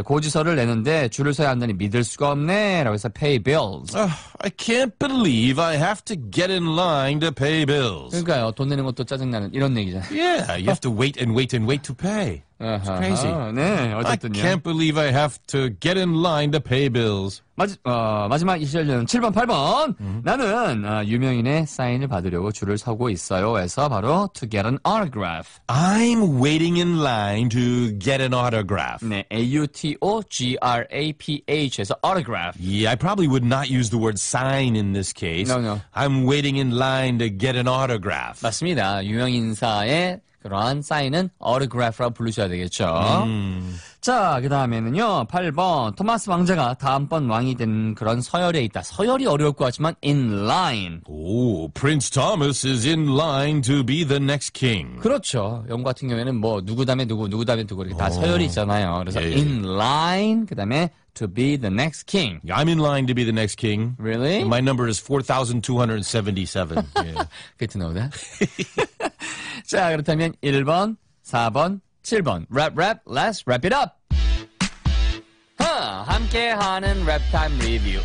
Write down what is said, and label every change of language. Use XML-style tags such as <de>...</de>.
<ko>고지서를 내는데 줄을 서야 한다니 믿을 수가 없네. 라고 해서 pay bills.</ko> <en>I can't believe I have to get in line to pay bills.</en> <ko>그러니까요. 돈 내는 것도 짜증나는 이런 얘기잖아요.</ko> <en>Yeah, you have to wait and wait and wait to pay. It's crazy.</en> <ko>네, 어쨌든요.</ko> <en>I can't believe I have to get in line to pay bills.</en> <ko>마지막 이시절은 7번, 8번. 나는 유명인의 사인을 받으려고 줄을 서고 있어요.</ko> <en>에서 바로 to get an autograph. I'm waiting in line to get an autograph. 네, A-U-T-O-G-R-A-P-H 에서 autograph. Yeah, I probably would not use the word sign in this case. No. I'm waiting in line to get an autograph.</en> <ko>맞습니다. 유명인사의 그러한 사인은 autograph라고 부르셔야 되겠죠. 자, 그 다음에는요. 8번. 토마스 왕자가 다음번 왕이 된 그런 서열에 있다. 서열이 어려울 것 같지만 in line.</ko> <en>오, Prince Thomas is in line to be the next king.</en> <ko>그렇죠. 영 같은 경우에는 뭐 누구 다음에 누구, 누구 다음에 누구 이렇게 다 서열이 있잖아요. 그래서 예.</ko> <en>in line, 그 다음에 to be the next king. I'm in line to be the next king. Really? And my number is 4,277.</en> <ko>Good to know that. 자, 그렇다면 1번, 4번, 7번.</ko> <en>Rap, rap, let's wrap it up! 함께하는 랩 타임 리뷰.</en>